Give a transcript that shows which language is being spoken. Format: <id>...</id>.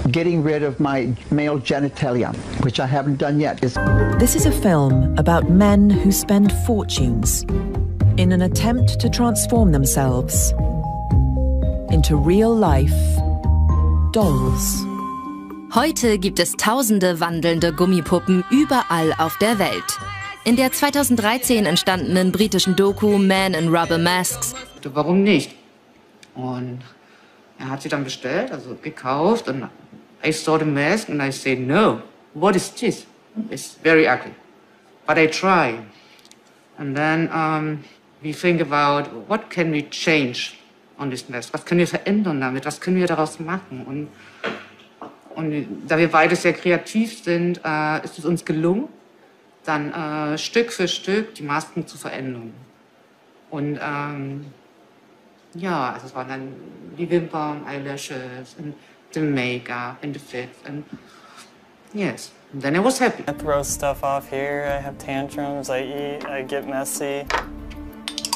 <en>Getting rid of my male genitalia, which I haven't done yet, is... This is a film about men who spend fortunes in an attempt to transform themselves into real-life dolls.</en> <de>Heute gibt es tausende wandelnde Gummipuppen überall auf der Welt. In der 2013 entstandenen britischen Doku Man in Rubber Masks. Du, warum nicht? Und er hat sie dann bestellt, also gekauft.</de> <en>Und I saw the mask and I said, no, what is this? It's very ugly. But I try. And then we think about, what can we change on this mask?</en> <de>Was können wir verändern damit? Was können wir daraus machen? Und da wir beide sehr kreativ sind, ist es uns gelungen, dann Stück für Stück die Masken zu verändern. Und also es waren dann die Wimpern,</de> <en>Eyelashes, and the Make-up, and the Fits, and yes, and then I was happy. I throw stuff off here, I have tantrums, I eat, I get messy. Mm.</en>